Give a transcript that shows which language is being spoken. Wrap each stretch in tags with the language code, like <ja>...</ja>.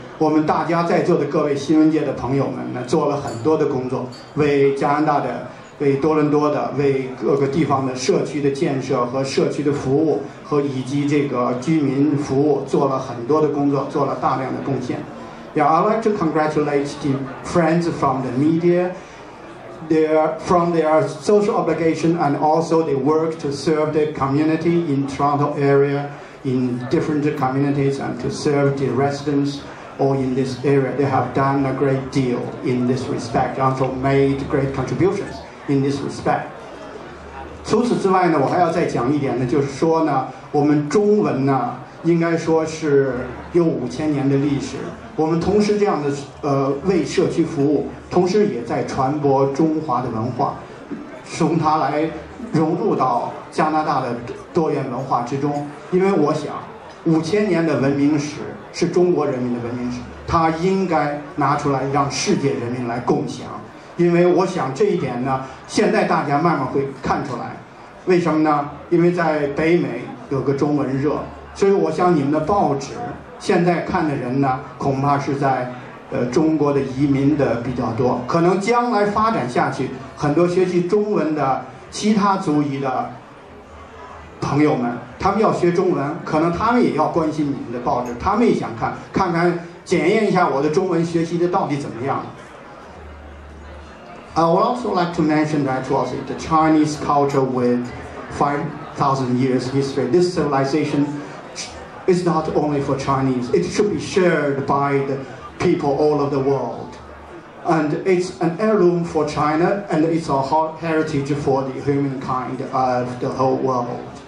<zh>我们大家在座的各位新闻界的朋友们呢，做了很多的工作，为加拿大的、为多伦多的、为各个地方的社区的建设和社区的服务和以及这个居民服务做了很多的工作，做了大量的贡献。</zh> <en>Yeah, I'd like to congratulate the friends from the media, from their social obligation and also their work to serve the community in Toronto area, in different communities and to serve the residents or in this area. They have done a great deal in this respect, also made great contributions in this respect.</en> <zh>除此之外呢，我还要再讲一点呢，就是说呢，我们中文呢，应该说是有5000年的历史。我们同时这样的为社区服务，同时也在传播中华的文化，从它来融入到加拿大的多元文化之中。因为我想，5000年的文明史是中国人民的文明史，它应该拿出来让世界人民来共享。因为我想这一点呢，现在大家慢慢会看出来，为什么呢？因为在北美有个中文热，所以我想你们的报纸现在看的人呢，恐怕是在中国的移民的比较多，可能将来发展下去，很多学习中文的其他族裔的朋友们，他们要学中文，可能他们也要关心你们的报纸，他们也想看看看，检验一下我的中文学习的到底怎么样。</zh> <en>I would also like to mention that was the Chinese culture with 5,000 years history. This civilization is not only for Chinese. It should be shared by the people all over the world. And it's an heirloom for China, and it's a heritage for the humankind of the whole world.</en>